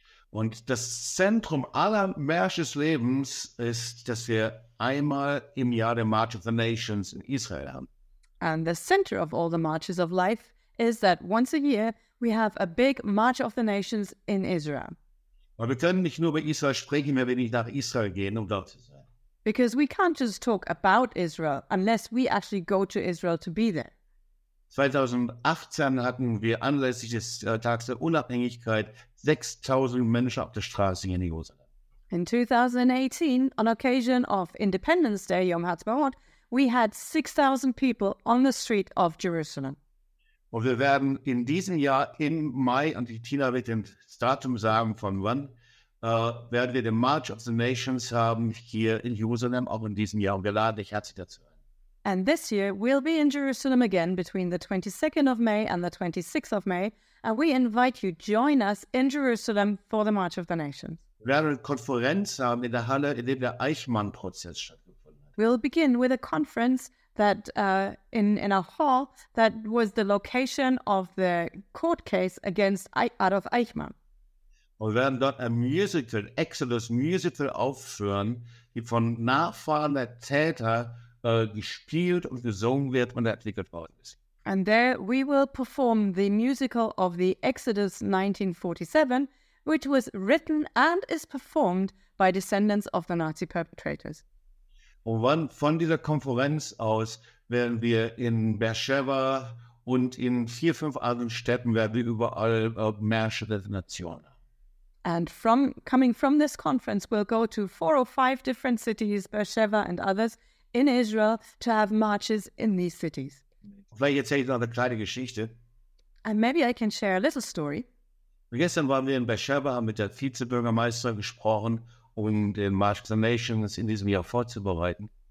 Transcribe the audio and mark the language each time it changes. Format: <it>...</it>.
<de>Und das Zentrum aller Märsche des Lebens ist, dass wir einmal im Jahr den March of the Nations in Israel haben.</de> <en>And the center of all the marches of life is that once a year we have a big March of the Nations in Israel.</en> <de>Aber wir können nicht nur über Israel sprechen, wenn wir nicht nach Israel gehen, um dort zu sein.</de> <en>Because we can't just talk about Israel unless we actually go to Israel to be there.</en> <de>2018 hatten wir anlässlich des Tags der Unabhängigkeit 6.000 Menschen auf der Straße in Jerusalem.</de> <en>In 2018, on occasion of Independence Day, Yom HaTzmaot, we had 6.000 people on the street of Jerusalem.</en> <de>Und wir werden in diesem Jahr im Mai, und die Tina wird das Datum sagen von wann, werden wir den March of the Nations haben hier in Jerusalem, auch in diesem Jahr. Und wir laden dich herzlich dazu.</de> <en>And this year, we'll be in Jerusalem again between the 22nd of May and the 26th of May. And we invite you, join us in Jerusalem for the March of the Nations.</en> <de>Wir werden eine Konferenz haben in der Halle, in der der Eichmann-Prozess stattgefunden hat.</de> <en>We'll begin with a conference that in a hall that was the location of the court case against Adolf Eichmann.</en> <de>Und wir werden dort ein Musical, Exodus Musical aufführen, die von Nachfahren der Täter gespielt und gesungen wird und entwickelt worden ist.</de> <en>And there we will perform the musical of the Exodus 1947, which was written and is performed by descendants of the Nazi perpetrators.</en> <de>Und wann von dieser Konferenz aus werden wir in Beersheba und in 4, 5 anderen Städten werden wir überall Märsche der Nationen.</de> <en>And coming from this conference, we'll go to 4 or 5 different cities, Beersheba and others, in Israel, to have marches in these cities.</en> <de>Vielleicht erzähle ich noch eine kleine Geschichte.</de> <en>And maybe I can share a little story.</en> <de>Gestern waren wir in Beersheba, haben mit der Vizebürgermeisterin gesprochen, um den March of the Nations in diesem Jahr vorzubereiten.</de>